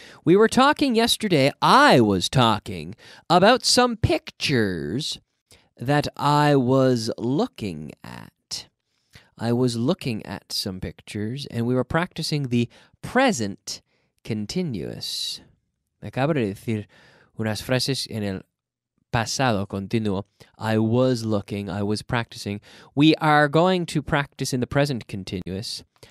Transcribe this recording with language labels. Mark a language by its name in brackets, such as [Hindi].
[English] We were talking yesterday, I was talking, about some pictures that I was looking at. I was looking at some pictures, and we were practicing the present continuous. [Spanish] Me acabo de decir unas frases en el pasado continuo. [English] I was looking, I was practicing. We are going to practice in the present continuous.